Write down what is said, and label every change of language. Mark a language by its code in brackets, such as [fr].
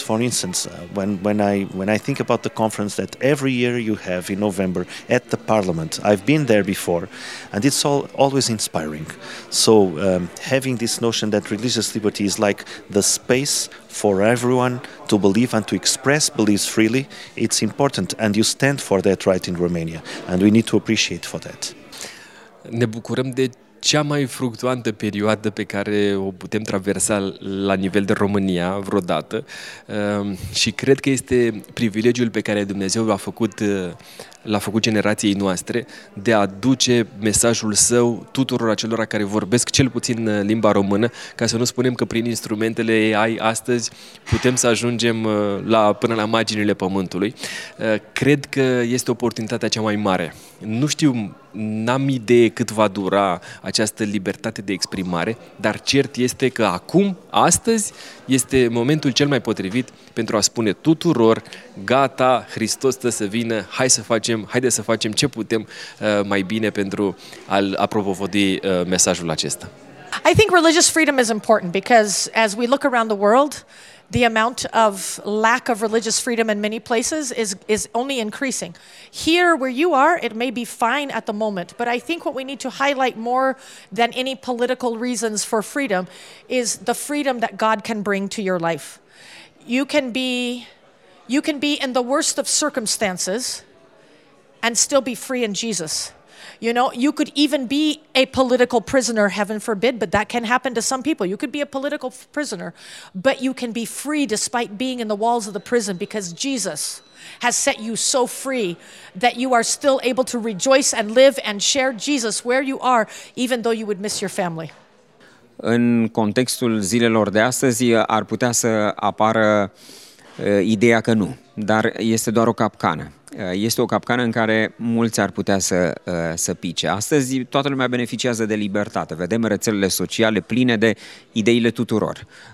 [en] For instance, when I think about the conference that every year you have in November at the Parliament, I've been there before, and it's always inspiring. So having this notion that religious liberty is like the space for everyone to believe and to express beliefs freely, it's important, and you stand for that right in Romania, and we need to appreciate for that. [ro] Ne bucurăm de cea mai fructuantă perioadă pe care o putem traversa la nivel de România vreodată, și cred că este privilegiul pe care Dumnezeu l-a făcut generației noastre de a duce mesajul său tuturor acelora care vorbesc cel puțin limba română, ca să nu spunem că prin instrumentele AI astăzi putem să ajungem până la marginile pământului. Cred că este oportunitatea cea mai mare. Nu știu, n-am idee cât va dura această libertate de exprimare, dar cert este că acum, astăzi, este momentul cel mai potrivit pentru a spune tuturor: gata, Hristos stă să vină, haide să facem ce putem mai bine pentru a propovădui mesajul acesta. [en] I think religious freedom is important because as we look around the world, the amount of lack of religious freedom in many places is only increasing. Here where you are, it may be fine at the moment, but I think what we need to highlight more than any political reasons for freedom is the freedom that God can bring to your life. You can be in the worst of circumstances and still be free in Jesus. You know, you could even be a political prisoner, heaven forbid, but that can happen to some people. You could be a political prisoner, but you can be free despite being in the walls of the prison, because Jesus has set you so free that you are still able to rejoice and live and share Jesus where you are, even though you would miss your family. [ro] În contextul zilelor de astăzi, ar putea să apară ideea că nu, dar este doar o capcană. Este o capcană în care mulți ar putea să pice. Astăzi toată lumea beneficiază de libertate. Vedem rețelele sociale pline de ideile tuturor.